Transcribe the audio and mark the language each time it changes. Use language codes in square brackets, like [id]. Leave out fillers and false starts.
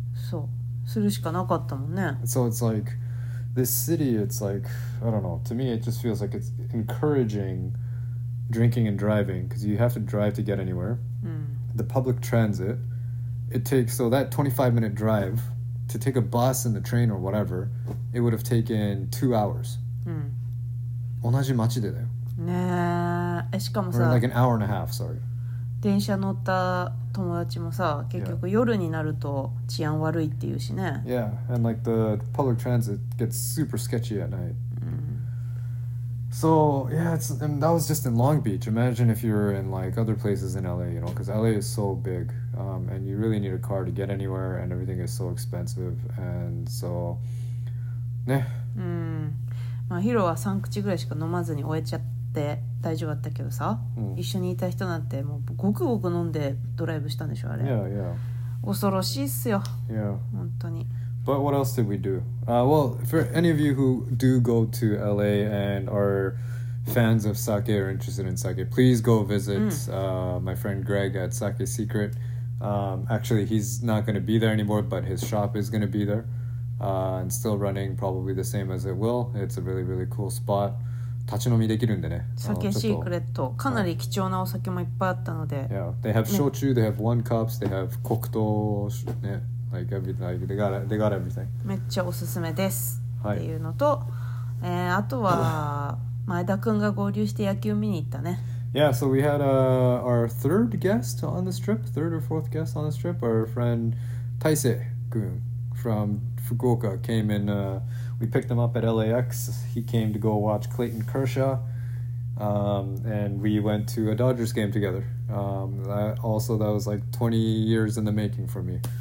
[ja] そうするしかなかったもんね。 [en] So it's like this city, it's like I don't know, to me it just feels like it's encouraging drinking and driving because you have to drive to get anywhere. [ja] うん。 [en] The public transit, it takes, so that 25 minute drive to take a bus and the train or whatever, it would have taken 2 hours. [ja] うん。同じ街でだよね。えしかもさ、 [en] or like an hour and a half, sorry. [ja] 電車乗った友達もさ、結局夜になると治安悪いっていうしね。 [en] Yeah, and like the public transit gets super sketchy at night. So yeah, it's, and that was just in Long Beach. Imagine if you're in like other places in LA, because LA is so big, and you really need a car to get anywhere, and everything is so expensive, and so, ね。 [ja] まあヒロは3口ぐらいしか飲まずに終えちゃった。で大丈夫だったけどさ、うん、一緒にいた人なんてもうごくごく飲んでドライブしたんでしょあれ。 [en] Yeah, yeah. [ja] 恐ろしいっすよ。 [en] Yeah. [ja] 本当に。 [en] But what else did we do? Well, for any of you who do go to LA and are fans of sake or interested in sake, please go visit、 [ja] うん、 [en] my friend Greg at Sake Secret. Actually, he's not going to be there anymore, but his shop is going to be there, and still running probably the same as it will. It's a really, really cool spot. [ja] 立ち飲みできるんでね。酒シークレット、かなり貴重なお酒もいっぱいあったので。 [en] Yeah, they have 焼酎、ね、they have one cups, they have 黒糖、ね、like everything, like they got everything. [ja] めっちゃおすすめです。はい。っていうのと、あとは前田くんが合流して野球見に行ったね。 [en] Yeah, so we had our third guest on the trip, third or fourth guest on the trip, our friend 大勢くん from 福岡 came in. We picked him up at LAX. He came to go watch Clayton Kershaw. And we went to a Dodgers game together. That was like 20 years in the making for me.